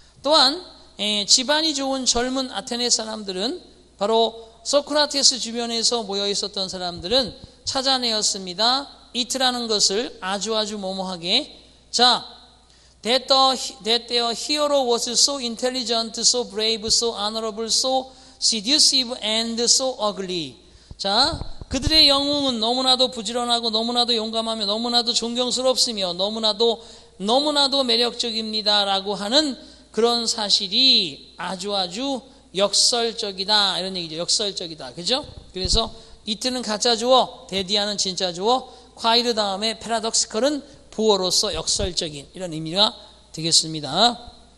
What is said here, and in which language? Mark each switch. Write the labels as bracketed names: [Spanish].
[Korean] 또한 집안이 좋은 젊은 아테네 사람들은 바로 소크라테스 주변에서 모여 있었던 사람들은 찾아내었습니다. It라는 것을 아주아주 모모하게. [English] 자, that their hero was so intelligent, so brave, so honorable, so seductive and so ugly. [Korean] 자, 그들의 영웅은 너무나도 부지런하고 너무나도 용감하며 너무나도 존경스럽으며 너무나도 매력적입니다 라고 하는 그런 사실이 아주아주 역설적이다 이런 얘기죠. 역설적이다, 그죠? 그래서 이트는 가짜 주어, 데디아는 진짜 주어, 콰이르 다음에 패러독시컬은 부어로서 역설적인 이런 의미가 되겠습니다.